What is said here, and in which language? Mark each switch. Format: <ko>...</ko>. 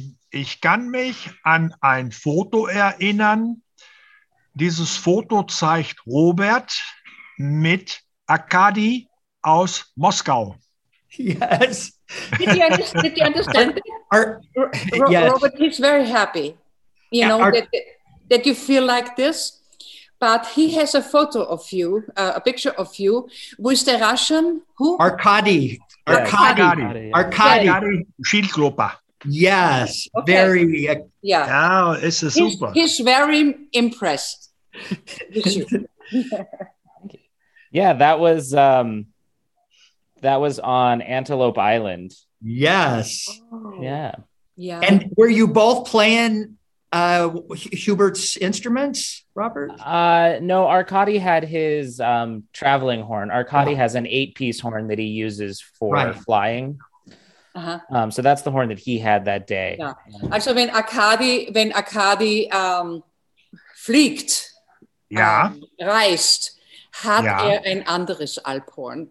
<de>Ich kann mich an ein Foto erinnern. Dieses Foto zeigt Robert mit Arkadi aus Moskau.</de> <en>Yes. Did you understand? Yes. Robert is very happy, you know, that you feel like this. But he has a photo of you, a picture of you, with the Russian, who? Arkadi.</en> <de>Schildgruppe.</de> <en>Yes, okay. Very. Yeah. Oh, it's a super. He's very impressed. Yeah, that was on Antelope Island. Yes. Oh. Yeah. Yeah. And were you both playing Hubert's instruments, Robert? No, Arkady had his traveling horn. Arkady has an 8-piece horn that he uses for flying. Uh-huh. So that's the horn that he had that day. Yeah.</en> <de>Also when Arkady fliegt, reist, hat ein anderes Alphorn.</de>